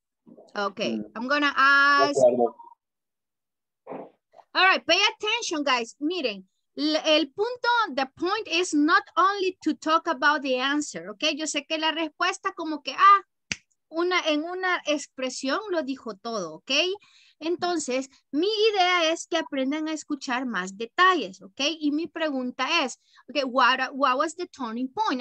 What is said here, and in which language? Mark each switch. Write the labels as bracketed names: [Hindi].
[English] Okay. Okay, I'm gonna ask. All right, pay attention, guys. [Spanish] Miren, el punto, [English] the point is not only to talk about the answer, okay? [Spanish] Yo sé que la respuesta como que, ah, una, en una expresión lo dijo todo, okay? Entonces, mi idea es que aprendan a escuchar más detalles, okay? Y mi pregunta es, [English] okay, what was the turning point?